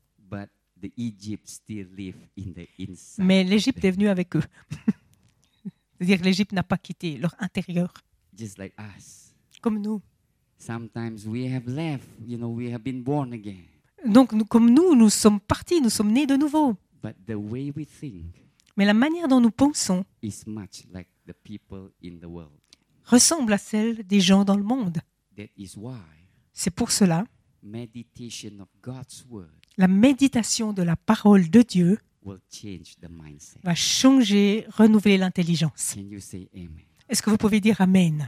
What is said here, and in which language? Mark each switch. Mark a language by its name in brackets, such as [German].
[English] But the Egypt still live in the inside. [French] Mais l'Égypte est venue avec eux. C'est-à-dire l'Égypte n'a pas quitté leur intérieur. [English] Just like us. [French] Comme nous. [English] Sometimes we have left, you know, we have been born again. [French] Donc comme nous sommes partis, nous sommes nés de nouveau. [English] But the way we think. [French] Mais la manière dont nous pensons [English] is much like the people in the world. [French] Ressemble à celle des gens dans le monde. [English] That is why [French] c'est pour cela [English] meditation of God's word [French] la méditation de la parole de Dieu [English] will change the mindset. [French] Va changer, renouveler l'intelligence. [English] Can you say amen? [French] Est-ce que vous pouvez dire amen?